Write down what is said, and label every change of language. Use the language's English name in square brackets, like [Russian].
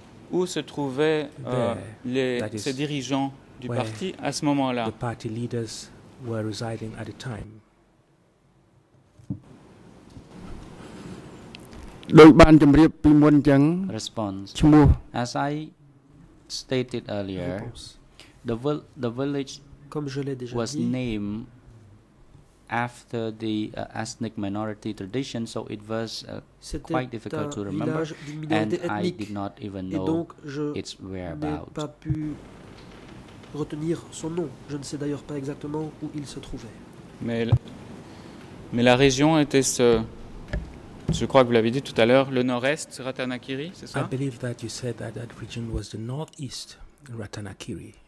[French] Où se trouvaient ces dirigeants du parti à ce moment-là? [English] The party leaders were residing at the time. Response. As I stated earlier, the village [French] comme je l'ai déjà [English] was [French] dit, [English] named after the ethnic minority tradition, so it was quite difficult to remember, and I did not even know [French] donc [English] its whereabouts. [French] N'ai pas pu retenir son nom. Je ne sais d'ailleurs pas exactement où il se trouvait. Mais la région était ce. Je crois que vous l'avez dit tout à l'heure, le nord-est, Ratanakiri, c'est ça? [English] I believe that you said that that region was the northeast, Ratanakiri.